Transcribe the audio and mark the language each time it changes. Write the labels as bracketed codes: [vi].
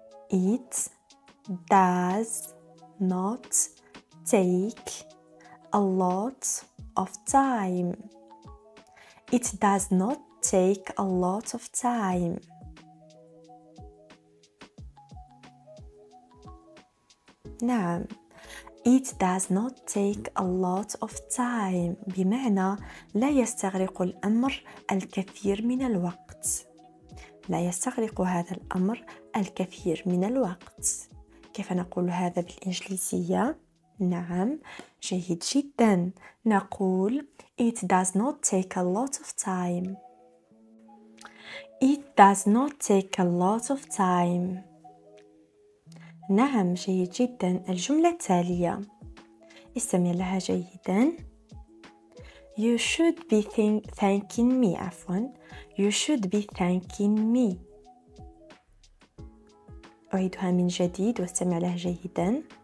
[en] It does not take a lot of time. It does not take a lot of time. [ar] نعم، [en] it does not take a lot of time. [ar] بمعنى لا يستغرق الأمر الكثير من الوقت. لا يستغرق هذا الأمر الكثير من الوقت. كيف نقول هذا بالإنجليزية؟ نعم، جيد جدا، نقول [en] It does not take a lot of time. It does not take a lot of time. [ar] نعم، جيد جدا. الجملة التالية، استمع لها جيدا. [en] You should be thanking me. [ar] عفوا، [en] You should be thanking me. [ar] أعيدها من جديد واستمع لها جيدا.